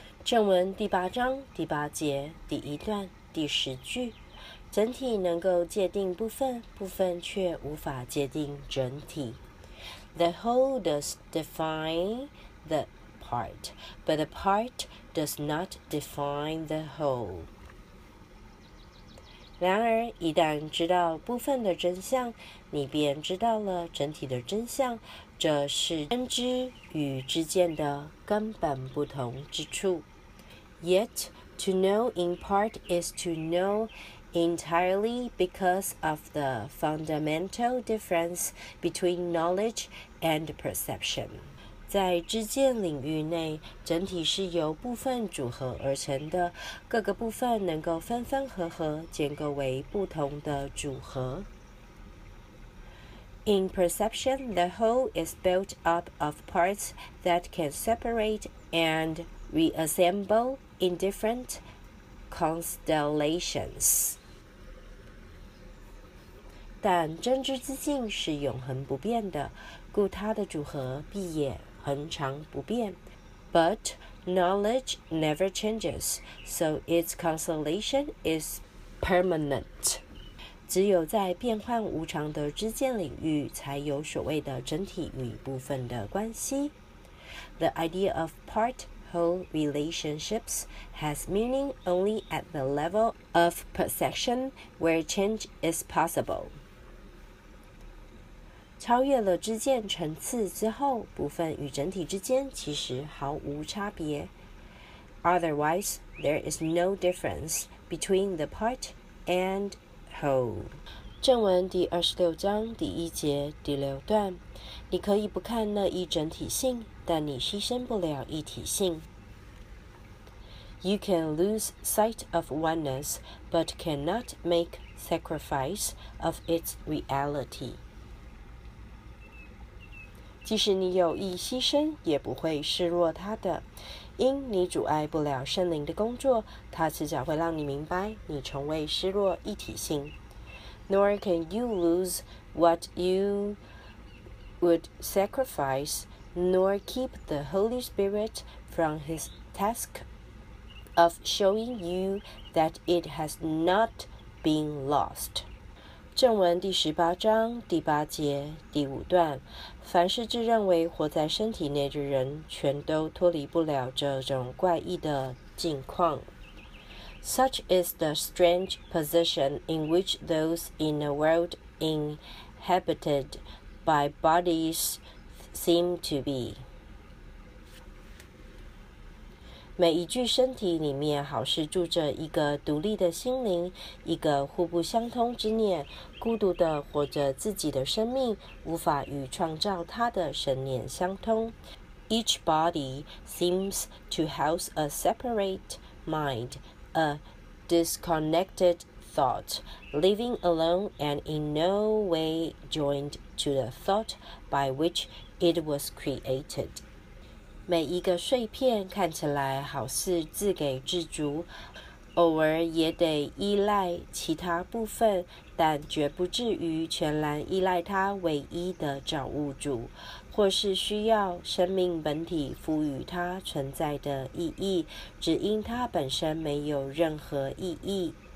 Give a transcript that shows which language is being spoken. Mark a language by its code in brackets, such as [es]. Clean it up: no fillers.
[zh] 正文第八章第八节第一段第十句，整体能够界定部分，部分却无法界定整体。 [en] The whole does define the part, but the part does not define the whole. [zh] 然而，一旦知道部分的真相，你便知道了整体的真相，这是真知与知见的根本不同之处。 [en] Yet, to know in part is to know entirely because of the fundamental difference between knowledge and perception. [zh] 在知见领域内，整体是由部分组合而成的，各个部分能够分分合合，建构为不同的组合。 [en] In perception, the whole is built up of parts that can separate and reassemble in different constellations. [zh] 但真知之性是永恒不变的，故它的组合必也恒常不变。 [en] But knowledge never changes, so its constellation is permanent. [zh] 只有在变幻无常的知见领域，才有所谓的整体与部分的关系。 [en] The idea of part-whole relationships has meaning only at the level of perception where change is possible. [zh] 超越了知见层次之后，部分与整体之间其实毫无差别。 [en] Otherwise, there is no difference between the part and [zh] 正文第二十六章第一节第六段，你可以不看那一整体性，但你牺牲不了一体性。 [en] You can lose sight of oneness, but cannot make sacrifice of its reality. [zh] 即使你有意牺牲，也不会示弱他的，因你阻碍不了圣灵的工作，他迟早会让你明白，你从未示弱一体性。 [en] Nor can you lose what you would sacrifice, nor keep the Holy Spirit from his task of showing you that it has not been lost. [zh] 正文第十八章第八节第五段，凡是自认为活在身体内的人，全都脱离不了这种怪异的境况。 [en] Such is the strange position in which those in a world inhabited by bodies seem to be. [zh] 每一具身体里面好似住着一个独立的心灵，一个互不相通之念，孤独地活着自己的生命，无法与创造他的神念相通。 [en] Each body seems to house a separate mind,A disconnected thought, living alone and in no way joined to the thought by which it was created. [zh] 每一个碎片看起来好似自给自足，偶尔也得依赖其他部分，但绝不至于全然依赖它唯一的造物主，或是需要生命本体赋予它存在的意义，只因它本身没有任何意义。